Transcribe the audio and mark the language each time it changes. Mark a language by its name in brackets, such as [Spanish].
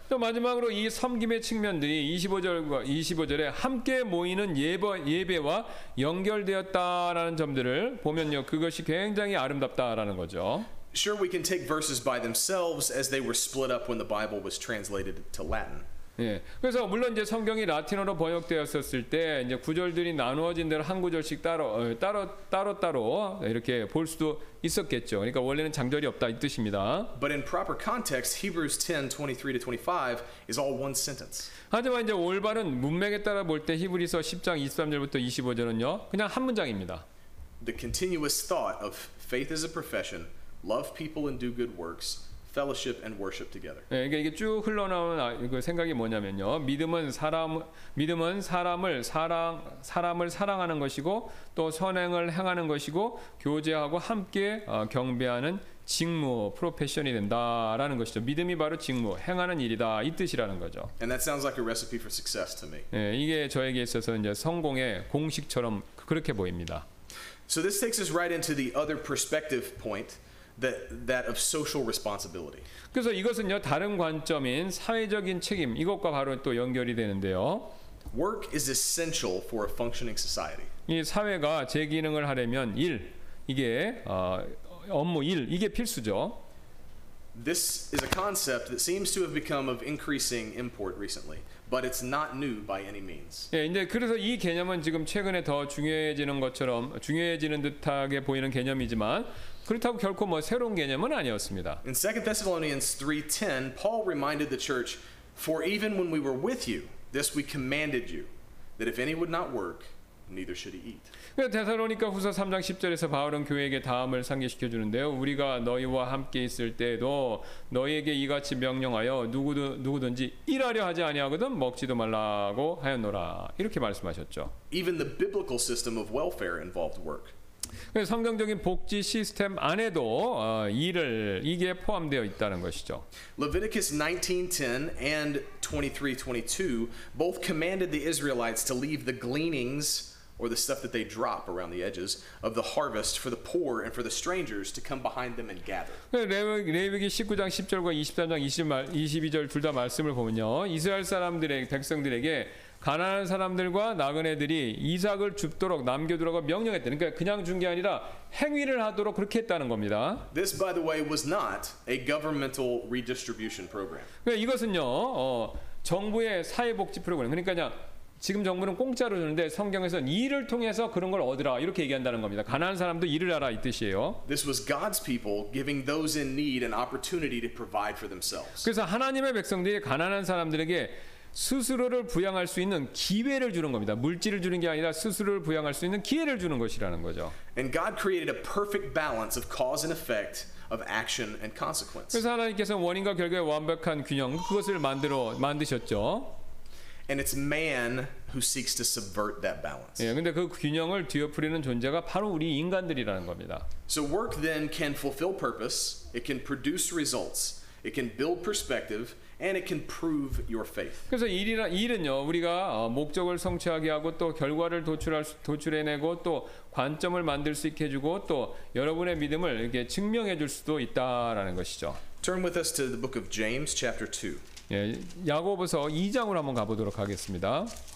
[Korean] 또 마지막으로 이 섬김의 측면들이 25절에 함께 모이는 예배와 연결되었다라는 점들을 보면요, 그것이 굉장히 아름답다라는 거죠. [English] Sure, we can take verses by themselves as they were split up when the Bible was translated to Latin. [Korean] 예, 그래서 물론 이제 성경이 라틴어로 번역되었었을 때 이제 구절들이 나누어진 대로 한 구절씩 따로 이렇게 볼 수도 있었겠죠. 그러니까 원래는 장절이 없다 이 뜻입니다. [English] But in proper context, Hebrews 10:23-25 is all one sentence. [Korean] 하지만 이제 올바른 문맥에 따라 볼 때 히브리서 10장 23절부터 25절은요 그냥 한 문장입니다. [English] The continuous thought of faith as a profession. Love people and do good works, fellowship and worship together. [Korean] 예, 이게 이게 쭉 흘러나오는 그 생각이 뭐냐면요. 믿음은 사람을 사랑하는 것이고 또 선행을 행하는 것이고 교제하고 함께 경배하는 직무, 프로페션이 된다라는 것이죠. 믿음이 바로 직무, 행하는 일이다 이 뜻이라는 거죠. [English] And that sounds like a recipe for success to me. [Korean] 예, 이게 저에게 있어서 이제 성공의 공식처럼 그렇게 보입니다. [English] So this takes us right into the other perspective point. That of social responsibility. [Korean] 그래서 이것은요 다른 관점인 사회적인 책임 이것과 바로 또 연결이 되는데요. [English] Work is essential for a functioning society. [Korean] 이 사회가 제 기능을 하려면 일 이게 업무 일 이게 필수죠. [English] This is a concept that seems to have become of increasing import recently, but it's not new by any means. [Korean] 예, 이제 그래서 이 개념은 지금 최근에 더 중요해지는 것처럼 중요해지는 듯하게 보이는 개념이지만. 그렇다고 결코 뭐 새로운 개념은 아니었습니다. [English] In 2 Thessalonians 3:10, Paul reminded the church, "For even when we were with you, this we commanded you, that if any would not work, neither should he eat." [Korean] 데살로니가 후서 3장 10절에서 바울은 교회에게 다음을 상기시켜 주는데요. 우리가 너희와 함께 있을 때에도 너희에게 이같이 명령하여 누구든지 일하려 하지 아니하거든 먹지도 말라고 하였노라. 이렇게 말씀하셨죠. [English] Even the biblical system of welfare involved work. [Korean] 성경적인 복지 시스템 안에도 일을 이게 포함되어 있다는 것이죠. [English] Leviticus 19:10 and 23:22 both commanded the Israelites to leave the gleanings or the stuff that they drop around the edges of the harvest for the poor and for the strangers to come behind them and gather. [Korean] 레위기 19장 10절과 23장 22절 둘 다 말씀을 보면요. 이스라엘 사람들에게 백성들에게 가난한 사람들과 나그네들이 이삭을 줍도록 남겨두라고 명령했다. 그러니까 그냥 준 게 아니라 행위를 하도록 그렇게 했다는 겁니다. [English] This, by the way, was not a governmental redistribution program. [Korean] 이것은요, 정부의 사회복지 프로그램. 그러니까 그냥 지금 정부는 공짜로 주는데 성경에서는 일을 통해서 그런 걸 얻으라 이렇게 얘기한다는 겁니다. 가난한 사람도 일을 하라 이 뜻이에요. [English] This was God's people giving those in need an opportunity to provide for themselves. [Korean] 그래서 하나님의 백성들이 가난한 사람들에게 스스로를 부양할 수 있는 기회를 주는 겁니다. 물질을 주는 게 아니라 스스로를 부양할 수 있는 기회를 주는 것이라는 거죠. [English] And God created a perfect balance of cause and effect of action and consequence. [Korean] 그래서 하나님께서 원인과 결과의 완벽한 균형 그것을 만드셨죠. [English] And it's man who seeks to subvert that balance. [Korean] 예, 근데 그 균형을 뒤엎으리는 존재가 바로 우리 인간들이라는 겁니다. [English] So work then can fulfill purpose, it can produce results, it can build perspective, and it can prove your faith. [Korean] 그래서 일은요, 우리가 목적을 성취하게 하고 또 결과를 도출해내고 또 관점을 만들 수 있게 해주고 또 여러분의 믿음을 이렇게 증명해 줄 수도 있다라는 것이죠. [English] Turn with us to the book of James, chapter 2. [Korean] 예, 야고보서 2장으로 한번 가보도록 하겠습니다.